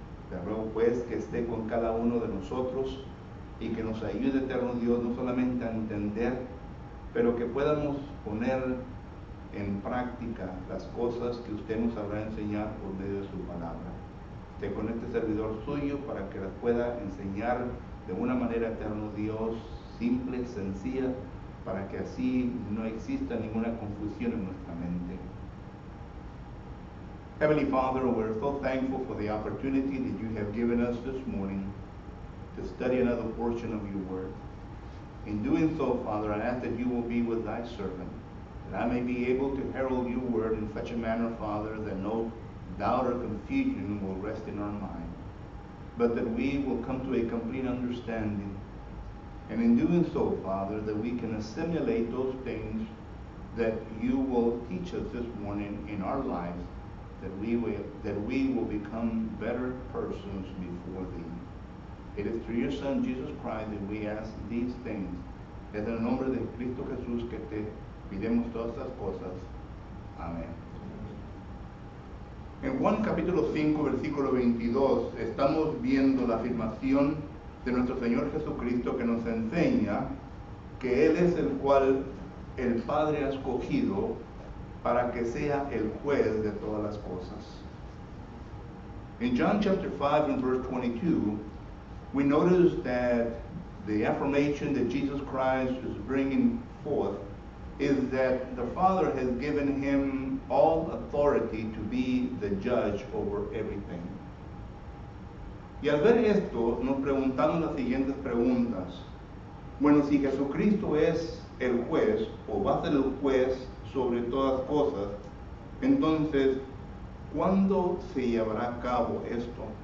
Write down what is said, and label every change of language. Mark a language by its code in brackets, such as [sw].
[es] Te ruego pues que esté con cada uno de nosotros y que nos ayude, eterno Dios, no solamente a entender, pero que podamos poner en práctica las cosas que usted nos habrá enseñado por medio de su palabra. Esté con este servidor suyo para que las pueda enseñar de una manera, eterno Dios, simple, sencilla, para que así no exista ninguna confusión en nuestra mente. [en] Heavenly Father, we're so thankful for the opportunity that you have given us this morning to study another portion of your word. In doing so, Father, I ask that you will be with thy servant, that I may be able to herald your word in such a manner, Father, that no doubt or confusion will rest in our mind, but that we will come to a complete understanding, and in doing so, Father, that we can assimilate those things that you will teach us this morning in our lives, that we will become better persons before thee. It is through your Son, Jesus Christ, that we ask these things. [es] En el nombre de Cristo Jesús que te pedimos todas estas cosas. Amén. En Juan capítulo 5, versículo 22, estamos viendo la afirmación de nuestro Señor Jesucristo que nos enseña que Él es el cual el Padre ha escogido para que sea el juez de todas las cosas. [en] In John chapter 5 and verse 22, we notice that the affirmation that Jesus Christ is bringing forth is that the Father has given him all authority to be the judge over everything. [es] Y al ver esto, nos preguntamos las siguientes preguntas. Bueno, si Jesucristo es el juez, o va a ser el juez sobre todas cosas, entonces, ¿cuándo se llevará a cabo esto?